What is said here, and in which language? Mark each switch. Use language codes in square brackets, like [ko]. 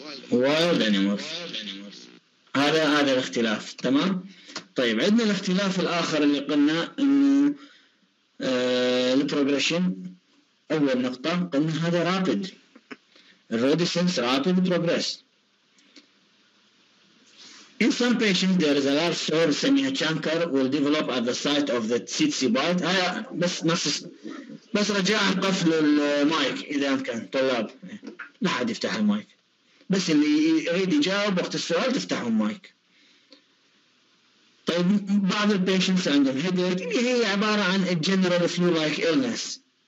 [en] Wild animals. [ar] هذا الاختلاف. تمام. طيب عندنا الاختلاف الاخر اللي قلنا انه البروجريشن. اول نقطه قلنا هذا [en] Rapid الروديسنس rapid progress. In some patients, there is a large sore semi-chancre will develop at the site of the tsetse bite. [ar] هيا بس نفس بس رجع قفل المايك إذا كان طلاب. لا حد يفتح المايك. بس اللي يريد يجاوب وقت السؤال تفتحوا المايك. طيب بعض patients عندهم headache. هي عبارة عن [en] a general flu-like illness.